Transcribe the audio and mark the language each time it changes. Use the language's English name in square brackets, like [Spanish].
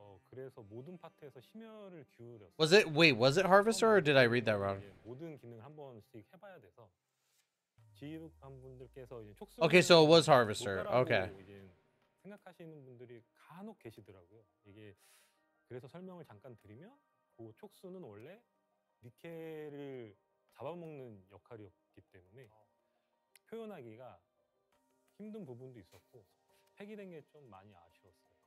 [Korean] 그래서 모든 파트에서 심혈을 기울여. [English] Was it Harvester or did I read that wrong? [Korean] 모든 기능 한 번씩 해봐야 돼서 지휘관 분들께서 이제 촉수. [English] Okay, so it was Harvester. Okay. [Korean] 생각하시는 분들이 간혹 계시더라고요. 이게 그래서 설명을 잠깐 드리면, 그 촉수는 원래 니케를 잡아먹는 역할이었기 때문에 표현하기가 힘든 부분도 있었고 폐기된 게 좀 많이 아쉬웠어요.